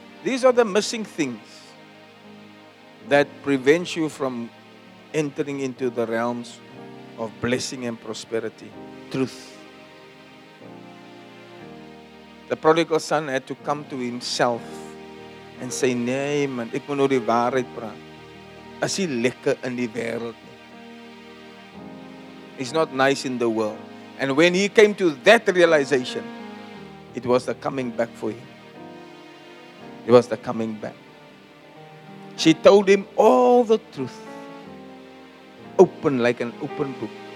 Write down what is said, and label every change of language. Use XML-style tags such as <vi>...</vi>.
<en>These are the missing things that prevent you from entering into the realms of blessing and prosperity. Truth. The prodigal son had to come to himself and say,</en> <af>nee man, ek moet nou die waarheid praat. As hy lekker in die wêreld.</af> <en>It's not nice in the world. And when he came to that realization, it was the coming back for him. It was the coming back. She told him all the truth. Open like an open book.</en>